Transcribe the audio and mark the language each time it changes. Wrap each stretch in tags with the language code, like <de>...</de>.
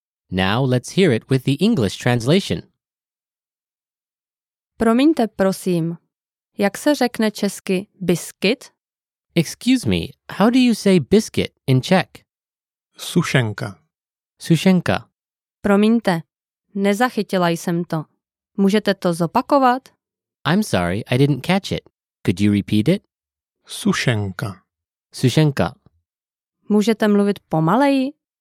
<en>Now let's hear it with the English translation.</en> <cs>Promiňte, prosím. Jak se řekne česky biskyt?</cs> <en>Excuse me, how do you say biscuit in Czech?</en> <cs>Sušenka. Sušenka. Promiňte, nezachytila jsem to. Můžete to zopakovat?</cs> <en>I'm sorry, I didn't catch it. Could you repeat it?</en> <cs>Sušenka. Sušenka. Můžete mluvit pomaleji?</cs>